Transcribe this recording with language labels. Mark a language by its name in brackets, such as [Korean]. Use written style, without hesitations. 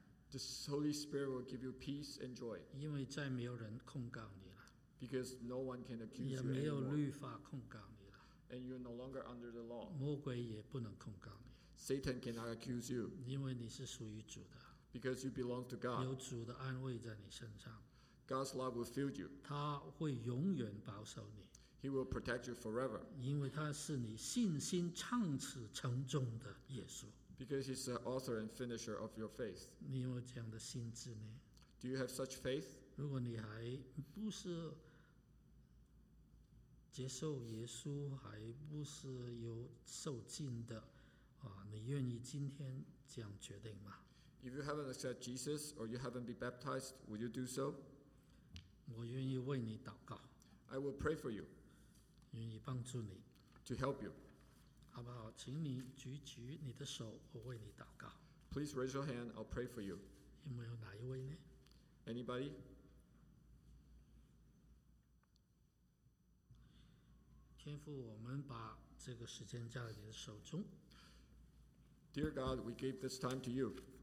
[English] the Holy Spirit will give you peace and joy. [Chinese] 因为再没有人控告你了, [English] because no one can accuse you. [Chinese] 也没有律法控告你了, [English] and you're no longer under the law. [Chinese] 魔鬼也不能控告你, [English] Satan cannot accuse you. [Chinese] 因为你是属于主的, [English] because you belong to God. [Chinese] 有主的安慰在你身上, [English] God's love will fill you. [Chinese] 他会永远保守你, [English] He will protect you forever. Because He's the author and finisher of your faith. Do you have such faith? [Chinese] 如果你还不是接受耶稣，还不是有受浸的，你愿意今天这样决定吗？ [English] If you haven't accepted Jesus or you haven't been baptized, will you do so? [Chinese] 我愿意为你祷告。 [English] I will pray for you. [Chinese] 愿意帮助你。 [English] To help you. [Chinese] 好不好？请你举起你的手，我为你祷告。 [English] Please raise your hand, I'll pray for you. [Chinese] 有没有哪一位呢？ [English] Anybody? [Chinese] 天父，我们把这个时间交在你的手中。 [English] Dear God, we give this time to you.